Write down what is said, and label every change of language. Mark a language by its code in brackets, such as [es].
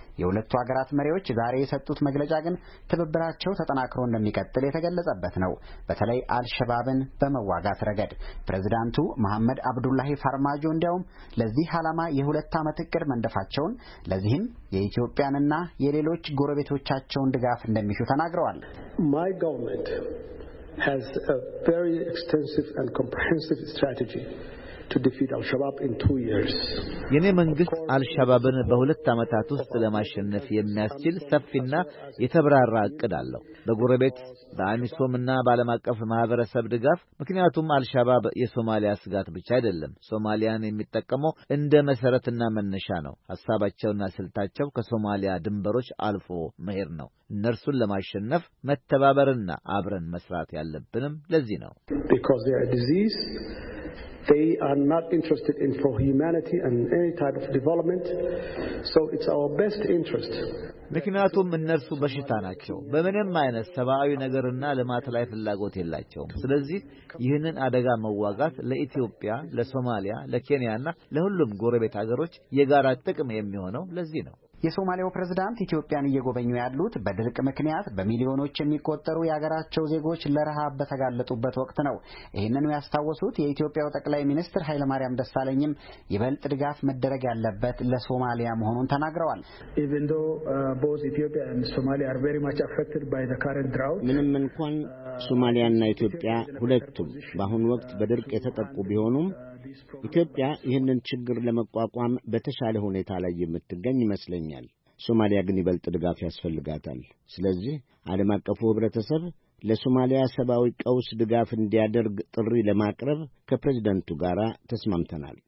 [am] የሁለቱ ሀገራት መሪዎች ዛሬ የሰጡት መግለጫ ግን ትብብራቸው ተጠናክሮ እንደሚቀጥል የተገለጸበት ነው። በተለይ አልሸባብን በመዋጋት ረገድ ፕሬዝዳንቱ መሐመድ አብዱላሂ ፎርማጆ እንዲያውም ለዚህ ዓላማ የሁለት አመት እቅድ መንደፋቸውን ለዚህም የኢትዮጵያንና የሌሎች ጎረቤቶቻቸውን ድጋፍ እንደሚሹ ተናግረዋል። [en] My government has a very extensive and comprehensive strategy to defeat Al-Shabaab in 2 years. [am] የኔ መንግስት አልሸባብን በሁለት አመታት ውስጥ ለማሸነፍ የሚያስችል ሰፊና የተብራራ እቅድ አለው። በጉረቤት በአሚሶምና ባለማቀፍ ማህበረሰብ ድጋፍ ምክንያቱም አልሸባብ የሶማሊያ ስጋት ብቻ አይደለም ሶማሊያን የሚጠቀመው እንደ መሰረትና መነሻ ነው። ሐሳባቸውና ስልታቸው ከሶማሊያ ድንበሮች አልፎ መሄድ ነው። እነርሱን ለማሸነፍ መተባበርና አብረን መስራት ያለብንም ለዚህ ነው። [en] Because they are a disease. They are not interested in for humanity and any type of development. So it's our best interest. [am] ምክንያቱም እነርሱ በሽታ ናቸው። በምንም አይነት ሰብአዊ ነገርና ለማት ላይ ፍላጎት የላቸውም። ስለዚህ ይህንን አደጋ መዋጋት ለኢትዮጵያ፣ ለሶማሊያ፣ ለኬንያና ለሁሉም ጎረቤት አገሮች የጋራ ጥቅም የሚሆነው ለዚህ ነው። የሶማሊያው ፕሬዝዳንት ኢትዮጵያን እየጎበኙ ያሉት በድርቅ ምክንያት በሚሊዮኖች የሚቆጠሩ የሀገራቸው ዜጎች ለረሃብ በተጋለጡበት ወቅት ነው። ይህንን ያስተዋወሱት የኢትዮጵያው ጠቅላይ ሚኒስትር ኃይለ ማርያም ደሳለኝም ይበልጥ ድጋፍ መደረግ ያለበት ለሶማሊያ መሆኑን ተናግረዋል። [en] Even though both Ethiopia and Somalia are very much affected by the current drought. [am] ምንም እንኳን ሶማሊያና ኢትዮጵያ ሁለቱም በአሁን ወቅት በድርቅ የተጠቁ ቢሆኑም ኢትዮጵያ ይህንን ችግር ለመቋቋም በተሻለ ሁኔታ ላይ የምትገኝ ይመስለኛል። ሶማሊያ ግን ይበልጥ ድጋፍ ያስፈልጋታል። ስለዚህ ዓለም አቀፉ ህብረተሰብ ለሶማሊያ ሰብአዊ ቀውስ ድጋፍ እንዲያደርግ ጥሪ ለማቅረብ ከፕሬዝዳንቱ ጋር ተስማምተናል።